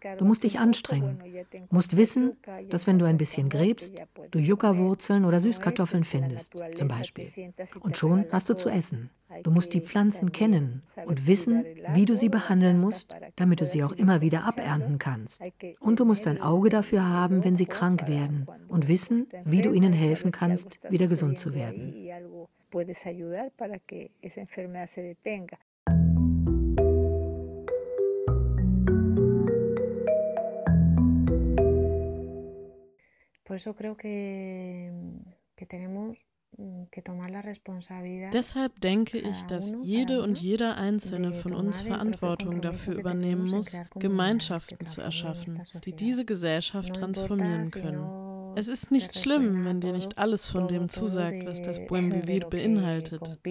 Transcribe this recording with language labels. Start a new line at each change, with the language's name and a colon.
German: Du musst dich anstrengen. Du musst wissen, dass wenn du ein bisschen gräbst, du Yucca-Wurzeln oder Süßkartoffeln findest, zum Beispiel. Und schon hast du zu essen. Du musst die Pflanzen kennen und wissen, wie du sie behandeln musst, damit du sie auch immer wieder abernten kannst. Und du musst ein Auge dafür haben, wenn sie krank werden und wissen, wie du ihnen helfen kannst, wieder gesund zu werden.
Spanish: Puedes ayudar para que esa enfermedad se detenga. Por eso creo que tenemos que tomar la responsabilidad.
German: Deshalb denke ich, dass jede und jeder Einzelne von uns Verantwortung dafür übernehmen muss, Gemeinschaften zu erschaffen, die diese Gesellschaft transformieren können. Es ist nicht schlimm, wenn dir nicht alles von dem zusagt, was das Buen Vivir beinhaltet.